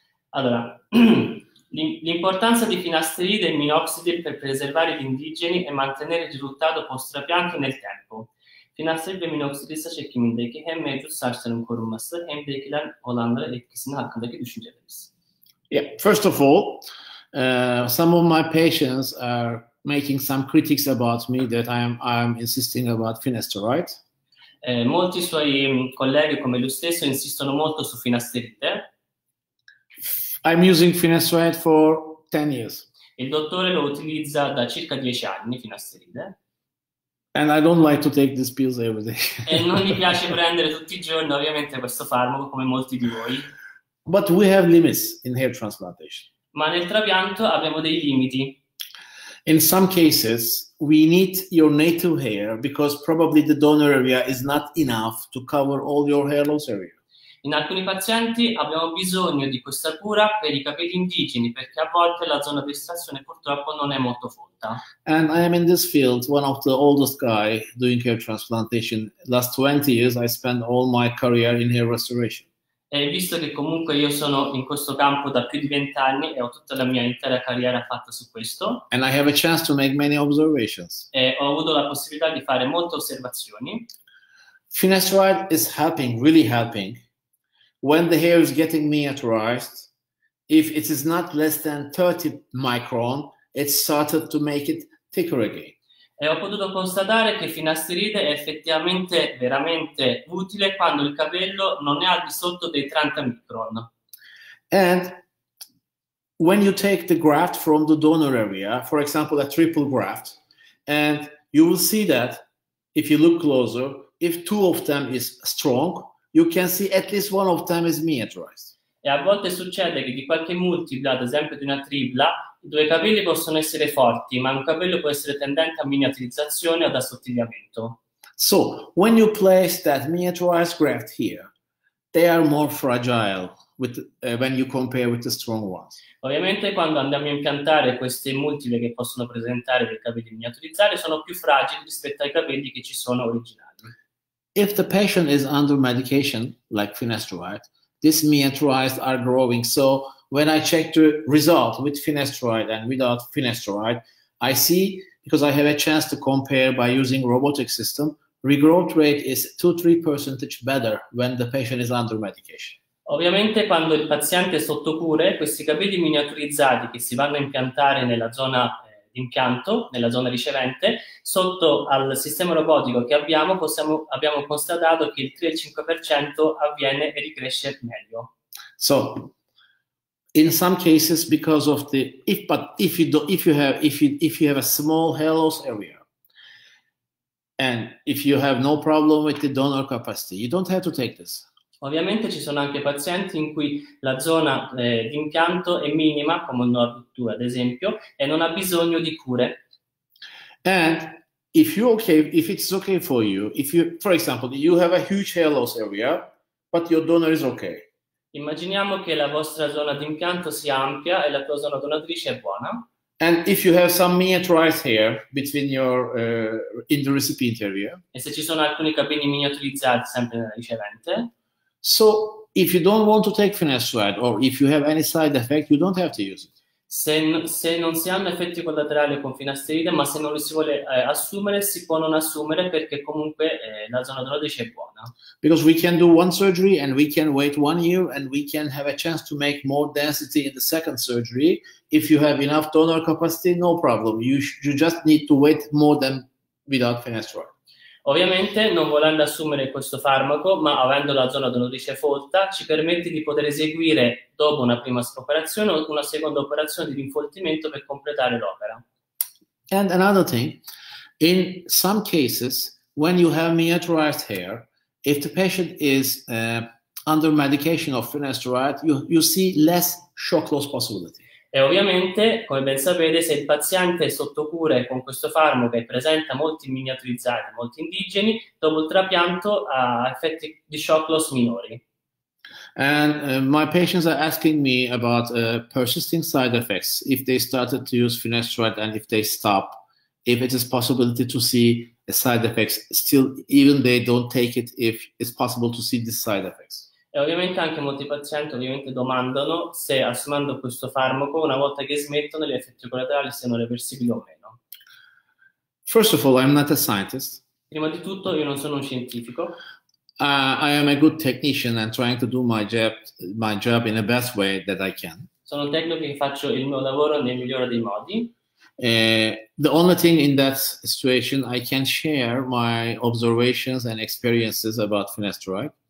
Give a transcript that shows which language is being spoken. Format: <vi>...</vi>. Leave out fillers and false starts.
<it>Allora, l'importanza di finasteride e minoxidil per preservare gli indigeni e mantenere il risultato post-trapianto nel tempo.</it> <tr>Finasteride ve minoxidil seçimindeki hem mevcut saçların korunması hem de ekilen olanlara etkisini hakkındaki düşünceleriniz.</tr> <en>Yeah, first of all, some of my patients are making some critics about me that I'm insisting about finasteride.</en> <it>Molti suoi colleghi come lui stesso insistono molto su finasteride.</it> <en>I'm using finasteride for 10 years.</en> <it>Il dottore lo utilizza da circa 10 anni, finasteride.</it> <en>And I don't like to take these pills every day.</en> <it>E non gli piace prendere tutti i giorni, ovviamente, questo farmaco, come molti di voi.</it> <en>But we have limits in hair transplantation.</en> <it>Ma nel trapianto abbiamo dei limiti.</it> <en>In some cases, we need your native hair because probably the donor area is not enough to cover all your hair loss area.</en> <it>In alcuni pazienti abbiamo bisogno di questa cura per i capelli indigeni, perché a volte la zona di estrazione purtroppo non è molto folta.</it> <en>And I am in this field, one of the oldest guy doing hair transplantation. Last 20 years I spent all my career in hair restoration.</en> <it>E visto che comunque io sono in questo campo da più di 20 anni e ho tutta la mia intera carriera fatta su questo,</it> <en>And I have a chance to make many observations.</en> <it>e ho avuto la possibilà di fare molte osservazioni.</it> <en>Finasteride is helping, really helping, when the hair is getting miniaturized. If it is not less than 30 micron, it started to make it thicker again.</en> <it>E ho potuto constatare che finasteride è effettivamente veramente utile quando il capello non è al di sotto dei 30 micron.</it> <en>And when you take the graft from the donor area, for example, a triple graft, and you will see that if you look closer, if two of them is strong, you can see at least one of them is miniaturized.</en> <it>E a volte succede che di qualche multipla, ad esempio di una tripla, due capelli possono essere forti, ma un capello può essere tendente a miniaturizzazione o ad assottigliamento.</it> <en>So, when you place that miniaturized graft here, they are more fragile when you compare with the strong ones.</en> <it>Ovviamente quando andiamo a impiantare queste multiple che possono presentare dei capelli miniaturizzati sono più fragili rispetto ai capelli che ci sono originali.</it> <en>If the patient is under medication, like finasteride, these miniaturized are growing. So, when I check the result with finasteride and without finasteride, I see, because I have a chance to compare by using robotic system, regrowth rate is 2-3 percentage better when the patient is under medication.</en> <it>Ovviamente quando il paziente è sotto cure, questi capelli miniaturizzati che si vanno a impiantare nella zona d'impianto, nella zona ricevente, sotto al sistema robotico che abbiamo, abbiamo constatato che il 3-5% avviene e ricresce meglio.</it> <en>So, in some cases, because of the if but if you do if you have if you have a small hair loss area, and if you have no problem with the donor capacity, you don't have to take this.</en> <it>Ovviamente ci sono anche pazienti in cui la zona d'impianto è minima, come un nodo 2 ad esempio, e non ha bisogno di cure.</it> <en>And if it's okay for you, if you, for example, you have a huge hair loss area, but your donor is okay.</en> <it>Immaginiamo che la vostra zona d'impianto sia ampia e la tua zona donatrice è buona.</it> <en>And if you have some miniaturized hair between your in the recipient area,</en> <it>E se ci sono alcuni capelli miniaturizzati, sempre nella ricevente?</it> <en>so if you don't want to take finasteride or if you have any side effect, you don't have to use it.</en> <it>Se non si hanno effetti collaterali con finasteride, ma se non li si vuole assumere, si può non assumere perché comunque la zona donatrice è buona.</it> <en>Because we can do one surgery and we can wait 1 year and we can have a chance to make more density in the second surgery. If you have enough donor capacity, no problem. You just need to wait more than without finasteride.</en> <it>Ovviamente, non volendo assumere questo farmaco, ma avendo la zona donatrice folta, ci permette di poter eseguire dopo una prima operazione o una seconda operazione di rinfoltimento per completare l'opera.</it> <en>And another thing, in some cases, when you have miniaturized hair, if the patient is under medication of finasteride, you see less shock loss possibility.</en> <it>E ovviamente, come ben sapete, se il paziente è sotto cure con questo farmaco e presenta molti miniaturizzati, molti indigeni, dopo il trapianto ha effetti di shock loss minori.</it> <en>And my patients are asking me about persisting side effects if they started to use finasteride and if they stop, if it is possibility to see side effects still, even they don't take it, if it's possible to see the side effects.</en> <it>E ovviamente anche molti pazienti ovviamente domandano se assumendo questo farmaco, una volta che smettono, gli effetti collaterali siano reversibili o meno.</it> <en>First of all, I'm not a scientist.</en> <it>Prima di tutto, io non sono un scientifico.</it> <en>I am a good technician and trying to do my job in the best way that I can.</en> <it>Sono un tecnico che faccio il mio lavoro nel migliore dei modi.</it> <en>The only thing in that situation, I can share my observations and experiences about finasteride.</en>